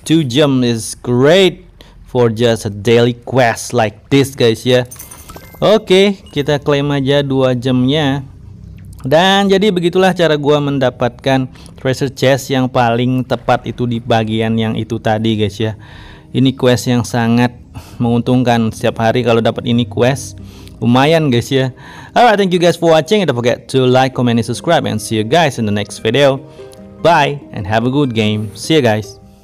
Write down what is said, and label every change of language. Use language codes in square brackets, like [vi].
[en] 2 gem is great for just a daily quest like this guys ya. [id] Oke, kita claim aja 2 gemnya. Dan jadi begitulah cara gua mendapatkan treasure chest yang paling tepat itu di bagian yang itu tadi guys ya. Ini quest yang sangat menguntungkan, setiap hari kalau dapat ini quest lumayan guys ya. [en] Alright, thank you guys for watching. Don't forget to like, comment, and subscribe, and see you guys in the next video. Bye and have a good game. See you guys.